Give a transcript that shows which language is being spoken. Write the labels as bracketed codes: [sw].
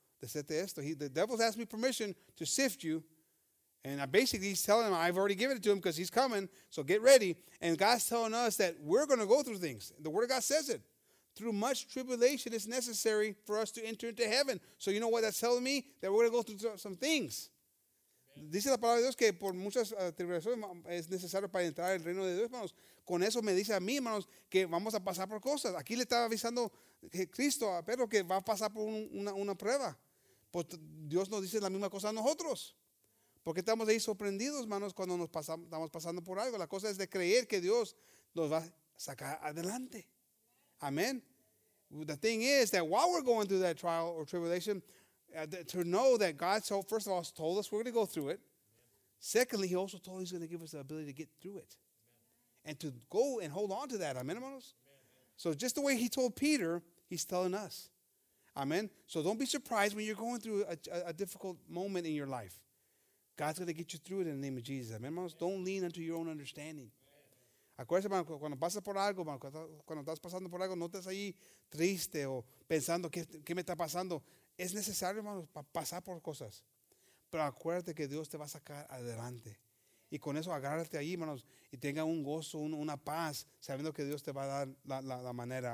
[en] The devil's asked me permission to sift you. And basically he's telling him, I've already given it to him because he's coming. So get ready. And God's telling us that we're going to go through things. The Word of God says it. Through much tribulation it's necessary for us to enter into heaven. So you know what that's telling me? That we're going to go through some things. [es] Dice la palabra de Dios que por muchas tribulaciones es necesario para entrar al reino de Dios, hermanos. Con eso me dice a mí, hermanos, que vamos a pasar por cosas. Aquí le estaba avisando Cristo a Pedro que va a pasar por una prueba. Pues Dios nos dice la misma cosa a nosotros. Porque estamos ahí sorprendidos, hermanos, cuando estamos pasando por algo. La cosa es de creer que Dios nos va a sacar adelante. [en] Amen. The thing is that while we're going through that trial or tribulation, to know that God, so first of all, told us we're going to go through it. Secondly, he also told us he's going to give us the ability to get through it. And to go and hold on to that. Amen, hermanos? So just the way he told Peter, he's telling us. Amen? So don't be surprised when you're going through a difficult moment in your life. God's going to get you through it in the name of Jesus. Amen, hermanos? Don't lean into your own understanding. [es] Acuérdese, hermano, cuando pasas por algo, cuando estás pasando por algo, no estás ahí triste o pensando qué me está pasando. Es necesario, hermano, pasar por cosas. Pero acuérdate que Dios te va a sacar adelante. Y con eso agárrate ahí, hermanos, y tenga un gozo, una paz, sabiendo que Dios te va a dar la manera.